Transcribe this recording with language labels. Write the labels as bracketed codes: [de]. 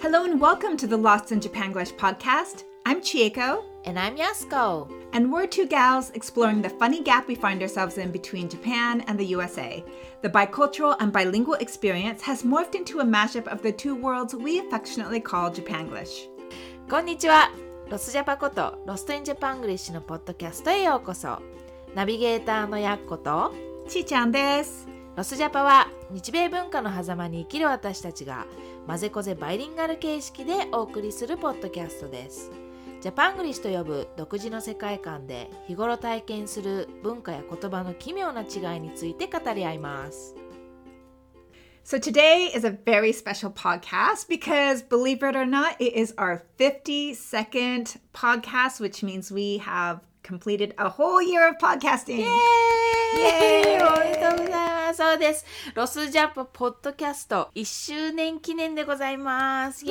[en] Hello and welcome to the Lost in Japanglish podcast. I'm Chieko. And I'm Yasuko. And we're two gals exploring the funny gap we find ourselves in between Japan and the USA. The bicultural and bilingual experience has morphed into a mashup of the two worlds we affectionately call Japanglish. [ja] こんにちは。ロスジャパことロストインジャパングリッシュのポッドキャストへようこそ。ナビゲーターのやっことちーちゃんです。ロスジャパは日米文化の狭間に生きる私たちがまぜこぜバイリンガル形式でお送りするポッドキャストです。ジャパングリッシュと呼ぶ独自の世界観で日頃体験する文化や言葉の奇妙な違いについて語り合います。 [en] So today is a very special podcast because, believe it or not, it is our 52nd podcast, which means we have completed a whole year of podcasting. Yay! [ja] おめでとうございます。そうです。ロスジャパポッドキャスト1周年記念でございます。